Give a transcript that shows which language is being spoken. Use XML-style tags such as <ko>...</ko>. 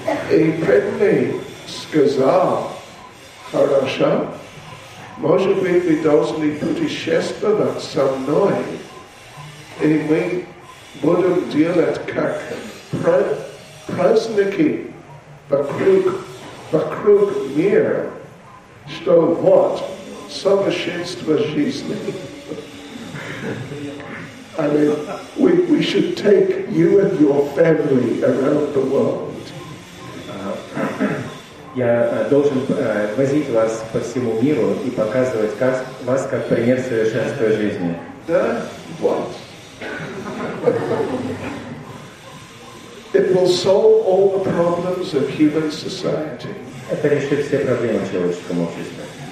<ru>И преданный сказал, хорошо, может быть, вы должны путешествовать со мной, и мы будем делать как праздники вокруг мира, что вот совершенство жизни.</ru> <en>I mean, we should take you and your family around the world.</en> <ru>Я должен возить вас по всему миру и показывать вас как пример совершенства жизни. Да? Вот.</ru> <en>It will solve all the problems of human society.</en> <ru>Это решит все проблемы в человеческом обществе.</ru>